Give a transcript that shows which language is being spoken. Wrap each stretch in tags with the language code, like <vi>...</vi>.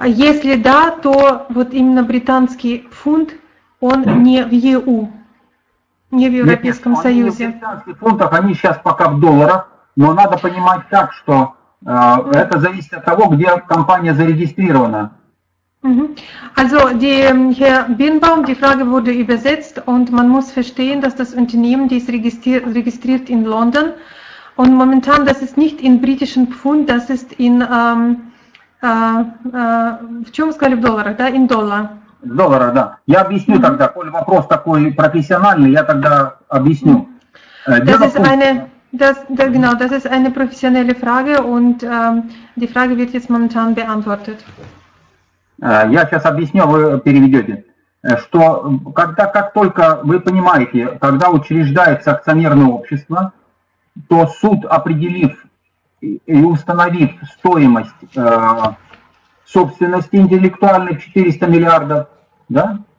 <ru>Если да, то вот именно британский фунт, он не в ЕУ, не в Европейском Союзе. Нет, они не в британских фунтах, они сейчас пока в долларах, но надо понимать так, что это зависит от того, где компания зарегистрирована.</ru> <de>Also, die, Herr Birnbaum, die Frage wurde übersetzt und man muss verstehen, dass das Unternehmen, die ist registriert in London und momentan, das ist nicht in britischen Pfund, das ist in,</de> <ru>в чем сказали, в долларах, да,</ru> <de>in Dollar.</de> <ru>В долларах, да. Я объясню тогда, коль вопрос такой профессиональный, я тогда объясню.</ru> <de>Das ist eine, genau, das ist eine professionelle Frage und die Frage wird jetzt momentan beantwortet.</de> <ru>Я сейчас объясню, вы переведете, что когда, как только вы понимаете, когда учреждается акционерное общество, то суд, определив и установив стоимость собственности интеллектуальной 400 миллиардов, да?</ru>